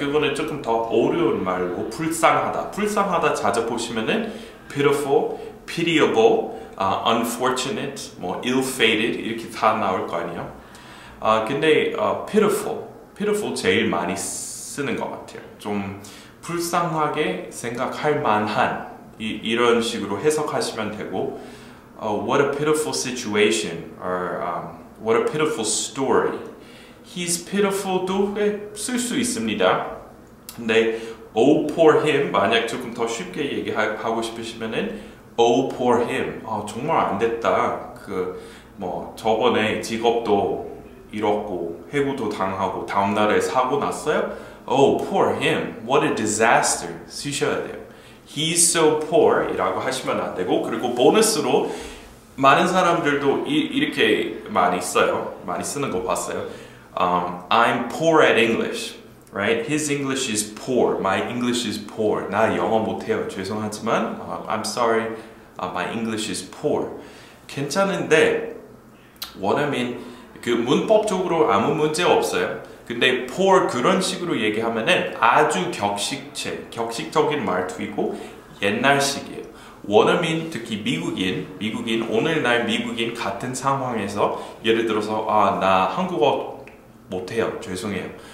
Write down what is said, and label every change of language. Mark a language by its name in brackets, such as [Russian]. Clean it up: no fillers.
[Korean] 그거는 조금 더 어려운 말로 불쌍하다. 불쌍하다 자주 보시면은 pitiful, pitiable, unfortunate, 뭐 ill-fated 이렇게 다 나올 거 아니에요. 근데 pitiful 제일 많이 쓰는 것 같아요. 좀 불쌍하게 생각할 만한 이런 식으로 해석하시면 되고 what a pitiful situation or what a pitiful story. He's pitiful 도 쓸 수 있습니다. [English] 근데 Oh, poor him. [Korean] 만약 조금 더 쉽게 얘기하고 싶으시면은 Oh, poor him. 아, 정말 안 됐다. 그 뭐 저번에 직업도 잃었고 해고도 당하고 다음 날에 사고 났어요. [English] Oh, poor him. What a disaster. 쓰셔야 돼요. He's so poor. [Korean] 이라고 하시면 안 되고 그리고 보너스로 많은 사람들도 이렇게 많이 써요. 많이 쓰는 거 봤어요. [English] I'm poor at English, right? His English is poor. My English is poor. 나 영어 못해요. 죄송하지만, I'm sorry. My English is poor. [Korean] 괜찮은데, what I mean, 그 문법적으로 아무 문제 없어요. 근데 poor 그런 식으로 얘기하면은 아주 격식체, 격식적인 말투이고 옛날식이에요. 원어민 특히 미국인 오늘날 미국인 같은 상황에서 예를 들어서 아, 나 한국어 못해요. 죄송해요.